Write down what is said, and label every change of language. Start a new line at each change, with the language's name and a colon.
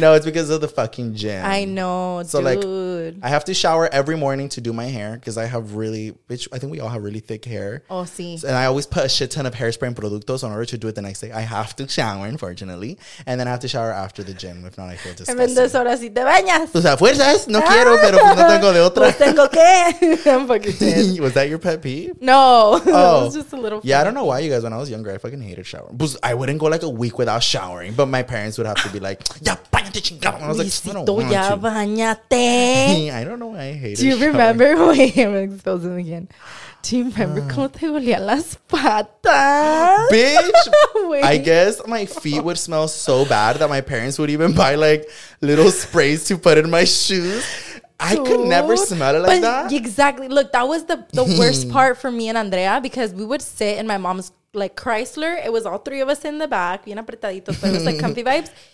English: No, it's because of the fucking gym. I know, so dude. Like, I have to shower every morning to do my hair because I have really, which I think we all have really thick hair.
Spanish: Oh, sí.
English: So, and I always put a shit ton of hairspray and productos in order to do it the next day. I have to shower, unfortunately. And then I have to shower after the gym. If not, I feel disgusting.
Spanish: Entonces ahora sí te bañas. O sea, fuerzas. No quiero, pero no tengo de otra. Pues tengo que.
English: I'm fucking dead. Was that your pet peeve? No. Oh. It was just a little funny. Yeah, I don't know why, you guys. When I was younger, I fucking hated showering. I wouldn't go like a week without showering, but my parents would have to be like,
Spanish: ya bañate chingado.
English: And I was like,
Spanish: Luisito, ya bañate.
English: I don't know why I hate it. Do you remember? Wait, I'm exposing again. Do you remember
Spanish: cómo te olían las patas?
English: Bitch. Wait. I guess my feet would smell so bad that my parents would even buy like little sprays to put in my shoes. I could never smell it like but that. Exactly. Look, that was the worst part for me and Andrea, because we would sit in my mom's like Chrysler. It was all three of us in the back,
Spanish: bien apretaditos,
English: but it was like comfy vibes.